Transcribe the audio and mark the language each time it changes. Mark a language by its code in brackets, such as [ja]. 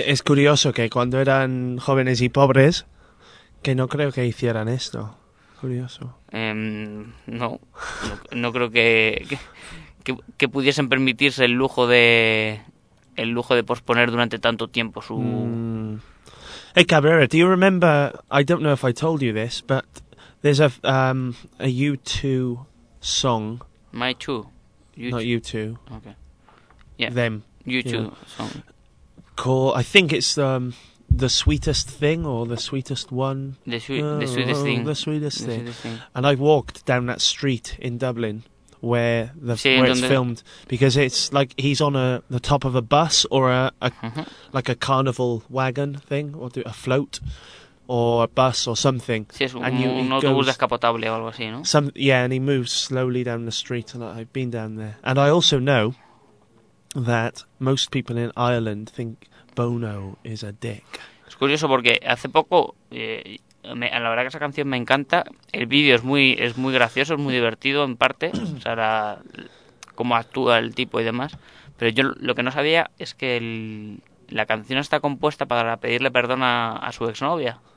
[es] Es curioso que cuando eran jóvenes y pobres, que no creo que hicieran esto. Curioso. No creo que pudiesen permitirse el lujo de posponer durante tanto tiempo su... [en] Hey Cabrera, do you remember, I don't know if I told you this, but there's a U2 song. My two. Not U2. Okay. Yeah. Them. U2 song. I think it's The Sweetest Thing or The Sweetest One. The Sweetest Thing. And I walked down that street in Dublin where it's filmed. Because it's like he's on the top of a bus or a like a carnival wagon thing. A float or a bus or something. [es] Sí, es un autobús goes, descapotable o algo así, ¿no? [en] And he moves slowly down the street, and I've been down there. And I also know that most people in Ireland think Bono is a dick. [es] Es curioso porque hace poco, la verdad que esa canción me encanta. El vídeo es muy gracioso, es muy divertido en parte, o sea, cómo actúa el tipo y demás. Pero yo lo que no sabía es que la canción está compuesta para pedirle perdón a su exnovia.